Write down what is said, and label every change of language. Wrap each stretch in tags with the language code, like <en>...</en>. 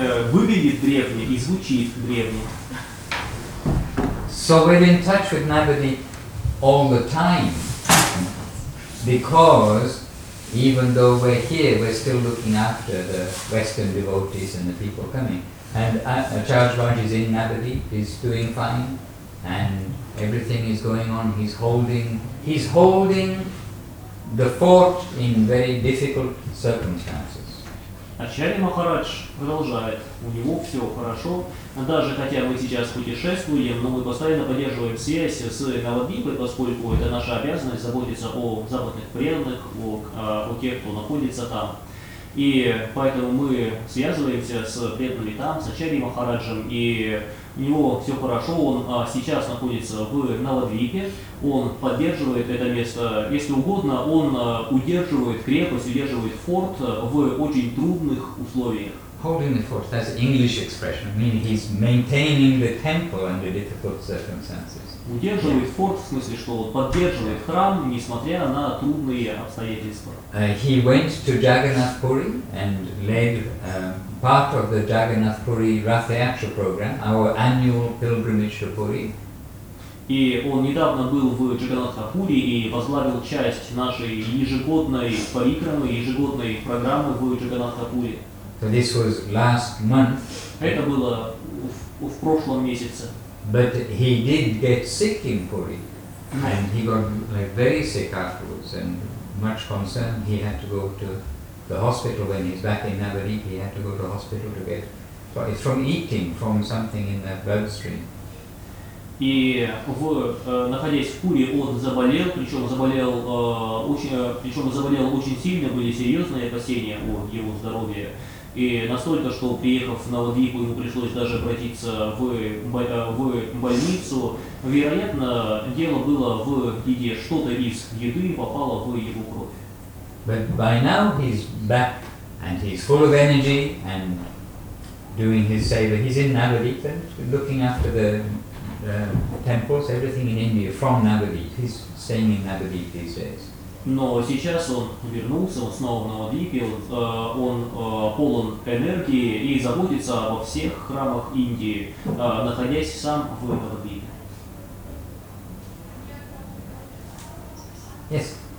<ru>Выглядит древне и звучит древне.</ru> <en>So we're in touch with Navadvip all the time, because even though we're here, we're still looking after the Western devotees and the people coming. And Acharyavraj is in Navadvip, he's doing fine, and everything is going on. He's holding the fort in very difficult circumstances.</en> <ru>Ачарья Махарадж продолжает, у него все хорошо, даже хотя мы сейчас путешествуем, но мы постоянно поддерживаем связь с Навадвипой, поскольку это наша обязанность заботиться о западных преданных, о тех, кто находится там. И поэтому мы связываемся с преданными там, с Ачарьей Махараджем, и у него все хорошо, он сейчас находится в Навадвипе. Он поддерживает это место, если угодно, он удерживает крепость, удерживает форт в очень трудных условиях.</ru> <en>Holding the fort, that's an English expression, meaning he's maintaining the temple under difficult circumstances.</en> <ru>Удерживает форт, в смысле, что поддерживает храм, несмотря на трудные обстоятельства.</ru> <en>He went to Jagannath Puri and led part of the Jagannath Puri Rathayatra program, our annual pilgrimage to Puri.</en> <ru>И он недавно был в Джаганатхапури и возглавил часть нашей ежегодной парикрамы, ежегодной программы в Джаганатхапури.</ru> <en>So this was last month.</en> <ru>Это было в прошлом месяце.</ru> <en>But he did get sick in Puri. And he got like very sick afterwards and much concerned. He had to go to the hospital when he's back in Navadvip. He had to go to the hospital to get from eating from something in that bloodstream.</en> <ru>И находясь в Пури, он заболел, причем заболел очень сильно, были серьезные опасения о его здоровье. И настолько, что приехав на Навадвипу, ему пришлось даже обратиться в больницу. Вероятно, дело было в еде, что-то из еды попало в его кровь.</ru> <en>But by now he's back and he's full of energy and doing his seva. He's in Navadvip looking after the temples, everything in India from Navadvip. He's staying in Navadvip these days.</en> <ru>Но сейчас он вернулся, он снова Навадвипе, он полон энергии и заботится обо всех храмах Индии, находясь сам в Навадвипе.</ru> <en>Yes.</en>